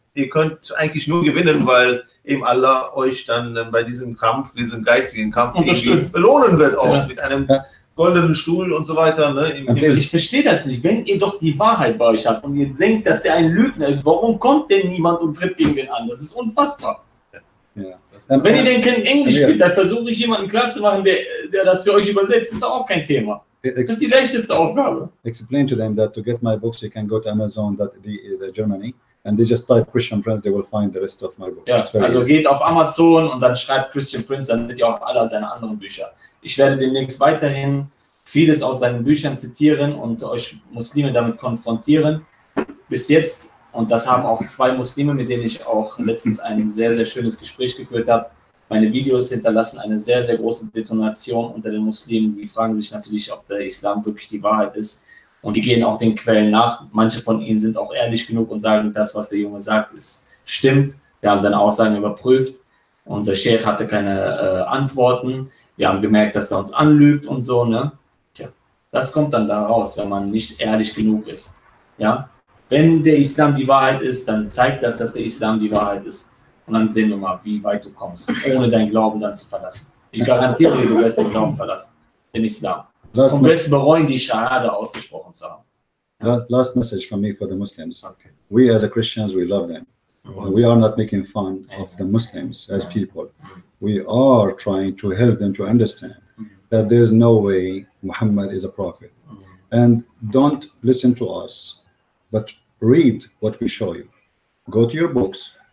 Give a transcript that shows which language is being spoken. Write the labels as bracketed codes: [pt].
[de] Ihr könnt eigentlich nur gewinnen, weil eben Allah euch dann bei diesem geistigen Kampf belohnen wird, auch mit einem goldenen Stuhl und so weiter. Ne? Ich verstehe das nicht. Wenn ihr doch die Wahrheit bei euch habt und ihr denkt, dass er ein Lügner ist, warum kommt denn niemand und tritt gegen den an? Das ist unfassbar. Ja. Wenn ihr denn kein Englisch spielt, dann versuche ich jemanden klarzumachen, der das für euch übersetzt. Das ist auch kein Thema. Das ist die leichteste Aufgabe. [en] Explain to them that to get my books, you can go to Amazon, the Germany, and they just type Christian Prince, they will find the rest of my books. [de] Ja, also geht auf Amazon und dann schreibt Christian Prince, dann seht ihr auch alle seine anderen Bücher. Ich werde demnächst weiterhin vieles aus seinen Büchern zitieren und euch Muslime damit konfrontieren. Bis jetzt, und das haben auch zwei Muslime, mit denen ich auch letztens ein sehr, sehr schönes Gespräch geführt habe. Meine Videos hinterlassen eine sehr, sehr große Detonation unter den Muslimen. Die fragen sich natürlich, ob der Islam wirklich die Wahrheit ist. Und die gehen auch den Quellen nach. Manche von ihnen sind auch ehrlich genug und sagen, das, was der Junge sagt, ist stimmt. Wir haben seine Aussagen überprüft. Unser Sheikh hatte keine Antworten. Wir haben gemerkt, dass er uns anlügt und so. Ne? Tja, das kommt dann da raus, wenn man nicht ehrlich genug ist. Ja? Wenn der Islam die Wahrheit ist, dann zeigt das, dass der Islam die Wahrheit ist. Und dann sehen wir mal, wie weit du kommst, ohne deinen Glauben dann zu verlassen. Ich garantiere dir, du wirst den Glauben verlassen, den Islam. Last und wirst bereuen, die Schahada ausgesprochen zu haben. [en] Ja? Last message from me for the Muslims. Okay. We as a Christians, we love them. Right. We are not making fun of the Muslims as people. We are trying to help them to understand that there is no way Muhammad is a prophet. And don't listen to us, but read what we show you. Go to your books.